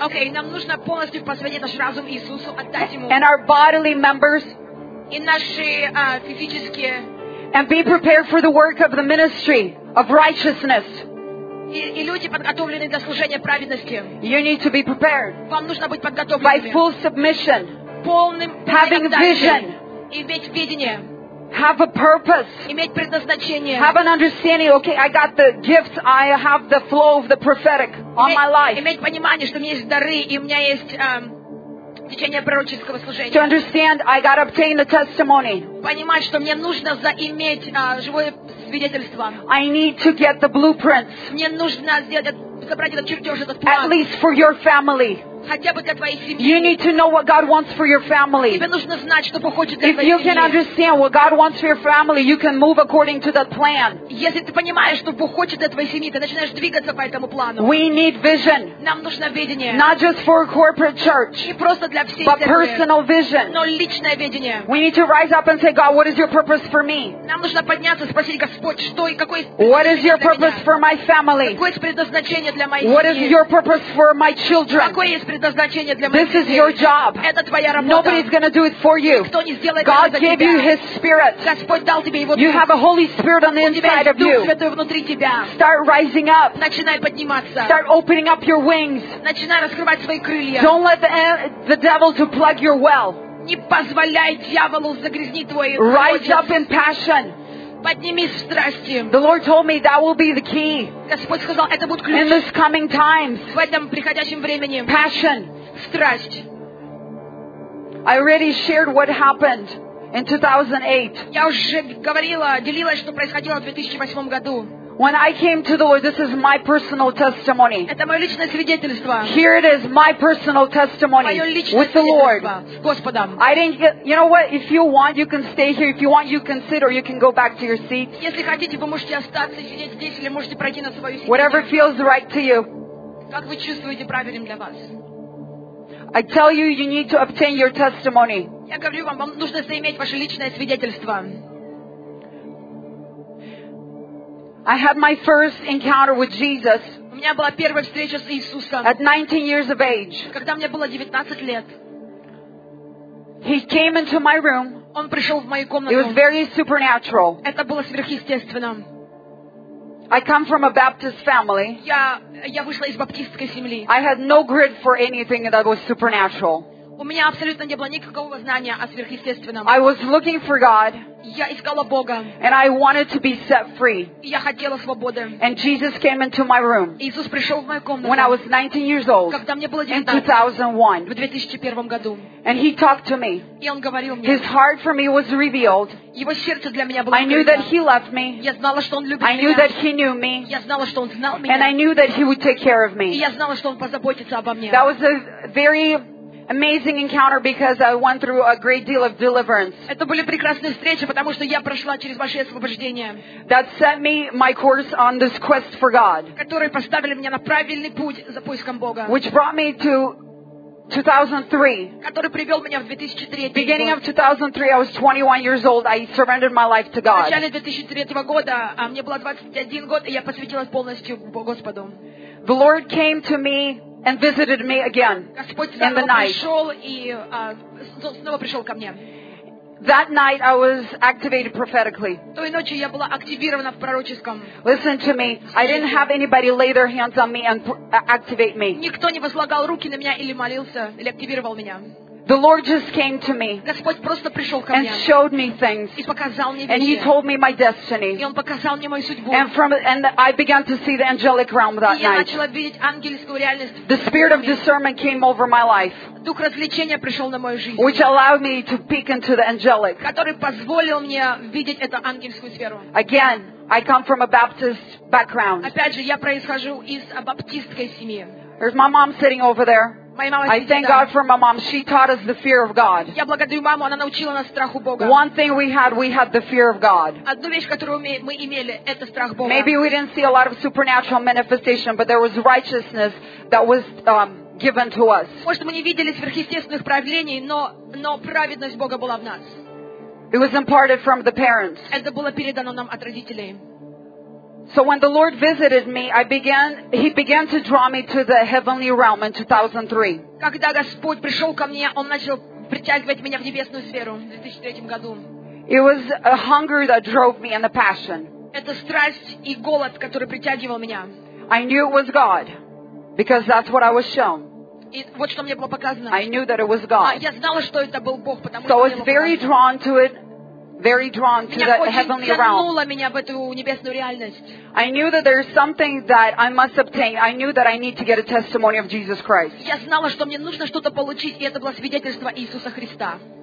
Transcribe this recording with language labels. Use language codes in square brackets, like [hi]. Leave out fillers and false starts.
[ru] Okay, нам нужно полностью посвятить наш разум Иисусу, отдать ему. [en] And our bodily members. [ru] И наши физические. [en] And be prepared for the work of the ministry of righteousness. [ru] И люди подготовлены для служения праведности. [en] You need to be prepared. [ru] Вам нужно быть подготовленными. [en] By full submission. [ru] Полным. [en] Having vision. [ru] Иметь видение. [en] Have a purpose. [ru] Иметь предназначение. [en] Have an understanding. Okay, I got the gifts. I have the flow of the prophetic on my life. [ru] Иметь понимание, что у меня есть дары и у меня есть течение пророческого служения. [en] To understand, I got to obtain the testimony. [ru] Понимать, что мне нужно заиметь живое свидетельство. [en] I need to get the blueprints. [ru] Мне нужно собрать этот чертеж, этот план. [en] At least for your family. You need to know what God wants for your family. If you can understand what God wants for your family, you can move according to that plan. We need vision. Not just for a corporate church, but personal vision. We need to rise up and say, God, what is your purpose for me? What is your purpose for my family? What is your purpose for my children? This is your job. Nobody's going to do it for you. God gave you His Spirit. You have a Holy Spirit on the inside of you. Start rising up. Start opening up your wings. Don't let the devil to plug your well. [ru] Не позволяй дьяволу загрязнить твой сердце. [en] Rise up in passion. The Lord told me that will be the key. [ru] Господь сказал, это будет ключ. [en] In this coming times. [ru] В этом приходящем времени. [en] Passion. [ru] Страсть. [en] I already shared what happened in 2008. [ru] Я уже говорила, делилась, что происходило в 2008 году. [en] When I came to the Lord, this is my personal testimony. [ru] Это мое личное свидетельство. [en] Here it is, my personal testimony with the Lord. [ru] Господом. [en] I didn't get. You know what? If you want, you can stay here. If you want, you can sit, or you can go back to your seat. [ru] Если хотите, вы можете остаться сидеть здесь, или можете пройти на свою сиденье. [en] Whatever feels right to you. [ru] Как вы чувствуете правильным для вас? [en] I tell you, you need to obtain your testimony. [ru] Я говорю вам, вам нужно заиметь ваше личное свидетельство. [en] I had my first encounter with Jesus. [ru] У меня была первая встреча с Иисусом. [en] At 19 years of age. [ru] Когда мне было 19 лет. [en] He came into my room. [ru] Он пришел в мою комнату. [en] It was very supernatural. [ru] Это было сверхъестественно. [en] I come from a Baptist family. [ru] Я вышла из баптистской семьи. [en] I had no grid for anything that was supernatural. [ru] У меня абсолютно не было никакого знания о сверхъестественном. [en] I was looking for God. [ru] Я искала Бога. [en] And I wanted to be set free. [ru] Я хотела свободы. [en] And Jesus came into my room. [ru] Иисус пришел в мою комнату. [en] When I was 19 years old. [ru] Когда мне было 19. [en] In 2001. [ru] В 2001 году. [en] And he talked to me. [ru] И он говорил мне. [en] His heart for me was revealed. [ru] Его сердце для меня было. [en] I knew that he loved me. [ru] Я знала, что он любит меня. [en] I knew that he knew me. [ru] Я знала, что он знал меня. [en] And I knew that he would take care of me. [ru] И я знала, что он позаботится обо мне. [en] That was a very amazing encounter because I went through a great deal of deliverance. [ru] Это были прекрасные встречи, потому что я прошла через большие освобождения. [en] That set me my course on this quest for God. [ru] Которые поставили меня на правильный путь за поиском Бога. [en] Which brought me to 2003. [ru] Который привел меня в 2003. [en] Beginning of 2003, I was 21 years old. I surrendered my life to God. [ru] В начале 2003 года мне было 21 год, и я посвятилась полностью Господу. [en] The Lord came to me and visited me again in the night. [ru] Снова пришел ко мне. [en] That night I was activated prophetically. [ru] Той ночью я была активирована в пророческом. [en] Listen to me. I didn't have anybody lay their hands on me and activate me. [ru] Никто не возлагал руки на меня или молился, или активировал меня. [en] The Lord just came to me. [ru] Господь просто пришел ко мне. [en] And showed me things. [ru] И показал мне вещи. [en] And he told me my destiny. [ru] И он показал мне мою судьбу. [en] And I began to see the angelic realm that night. [ru] И я начала видеть ангельскую реальность. [en] The spirit of discernment came over my life. [ru] Дух развлечения пришел на мою жизнь. [en] Which allowed me to peek into the angelic. [ru] Который позволил мне видеть эту ангельскую сферу. [en] Again, I come from a Baptist background. [ru] Опять же, я происхожу из баптистской семьи. [en] There's my mom sitting over there. I thank God for my mom. She taught us the fear of God. [ru] Я благодарю маму, она научила нас страху Бога. [en] One thing we had the fear of God. [ru] Одну вещь, которую мы имели, это страх Бога. [en] Maybe we didn't see a lot of supernatural manifestation, but there was righteousness that was given to us. [ru] Может, мы не видели сверхъестественных проявлений, но праведность Бога была в нас. [en] It was imparted from the parents. [ru] Это было передано нам от родителей. [en] So when the Lord visited me, He began to draw me to the heavenly realm in 2003. [ru] Когда Господь пришел ко мне, Он начал притягивать меня в небесную сферу в 2003 году. [en] It was a hunger that drove me and a passion. [ru] Это страсть и голод, который притягивал меня. [en] I knew it was God, because that's what I was shown. [ru] И вот что мне было показано. [en] I knew that it was God. [ru] Я знала, что это был Бог, потому что. [en] So I was very drawn to it. Very drawn to the heavenly realm. [ru] Меня в эту небесную реальность. [en] I knew that there is something that I must obtain. I knew that I need to get a testimony of Jesus Christ. [ru] Я знала, что мне нужно что-то получить, и это было свидетельство Иисуса Христа.